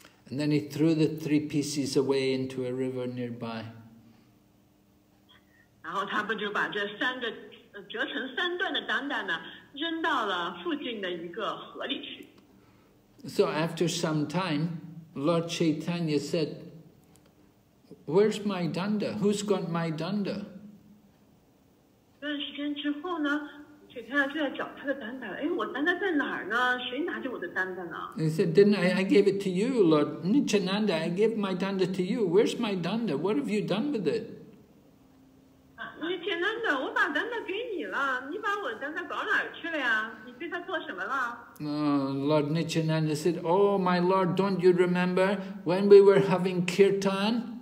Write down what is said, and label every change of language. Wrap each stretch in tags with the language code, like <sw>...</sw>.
<en>And then he threw the three pieces away into a river nearby.</en> <zh>然后他不就把这三个折成三段的担当呢，扔到了附近的一个河里去。</zh> <en>So after some time, Lord Chaitanya said, "Where's my danda? Who's got my danda?"</en> <zh>一段时间之后呢，去他就在找他的担当。哎，我担当在哪儿呢？谁拿着我的担当呢？</zh> <en>He said, "Didn't I gave it to you, Lord Nityananda? I gave my danda to you. Where's my danda? What have you done with it?"</en> <zh>啊，Nityananda，我把担当给你了，你把我担当搞哪儿去了呀？</zh> <en>Lord Nityananda said, "Oh, my Lord, don't you remember when we were having kirtan?</en>